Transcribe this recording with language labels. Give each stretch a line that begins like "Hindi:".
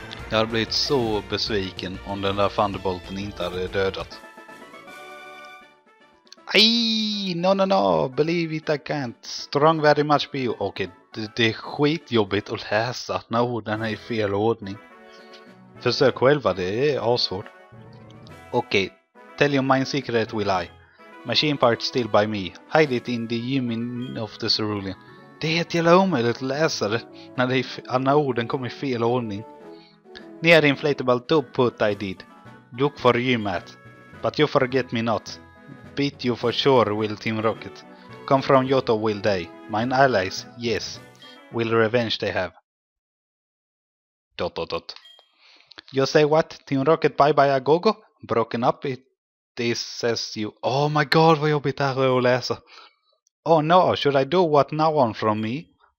Swedish: Jag hade blivit så besviken om den där Thunderbolten inte hade dödat.
English: Aj! No, no, no! Believe it, I can't. Strong very much be you.
Swedish: Okej, det är skitjobbigt att läsa när orden är i fel ordning. Försök själva, det är asvårt.
English: Okej, tell your mind secret will I. Machine parts still by me. Hide it in the gym of the Cerulean.
Swedish: Det är helt jävla omöjligt att läsa det när det när orden kommer i fel ordning.
English: Near inflatable tube put I did. Look for you, Matt. But you forget me not. Beat you for sure, will Team Rocket. Come from Yoto, will they? Mine allies, yes. Will revenge they have. Dot, dot, dot. You say what? Team Rocket bye bye agogo? Broken up, it says you. Oh my god,
Swedish: vad jobbigt det här är att läsa.
English: Oh no, should I do what now on from me?